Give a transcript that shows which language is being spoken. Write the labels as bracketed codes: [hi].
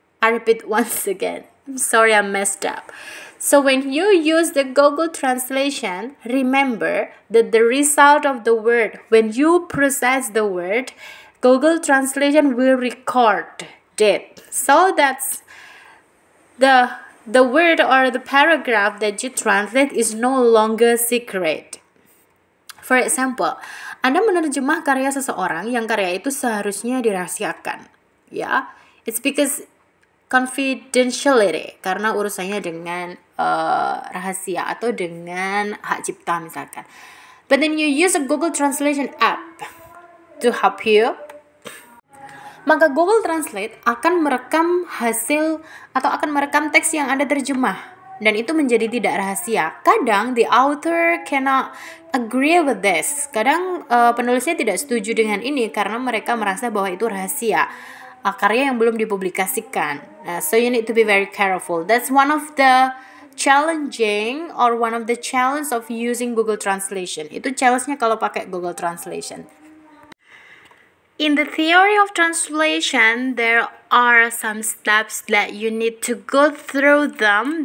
[en] I repeat once again. I'm sorry I messed up. So when you use the Google Translation, remember that the result of the word, when you process the word, Google Translation will record it. So that's the word or the paragraph that you translate is no longer secret. For example, [id] Anda menerjemah karya seseorang yang karya itu seharusnya dirahasiakan. [en] Yeah? It's because confidentiality, [id] karena urusannya dengan rahasia atau dengan hak cipta misalkan. [en] But then you use a Google Translation app to help you. [id] Maka Google Translate akan merekam hasil atau akan merekam teks yang Anda terjemah. Dan itu menjadi tidak rahasia. Kadang [en] the author cannot agree with this. [id] Kadang penulisnya tidak setuju dengan ini karena mereka merasa bahwa itu rahasia. Karya yang belum dipublikasikan. [en] So you need to be very careful. That's one of the challenging or one of the challenge of using Google Translation. [id] Itu challenge-nya kalau pakai Google Translation. [en] In the theory of translation, there are some steps that you need to go through them.